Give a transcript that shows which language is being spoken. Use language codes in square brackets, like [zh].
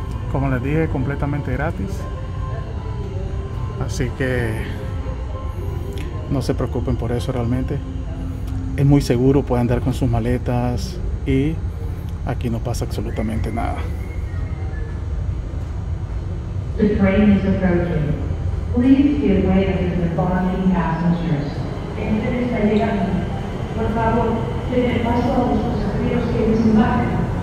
[es] Como les dije, completamente gratis. Así que no se preocupen por eso realmente. Es muy seguro, puede andar con sus maletas y aquí no pasa absolutamente nada. [en] The train is approaching. Please give way to the departing passengers. [es] El tren está llegando. Por favor, denle paso a los pasajeros que desembarquen.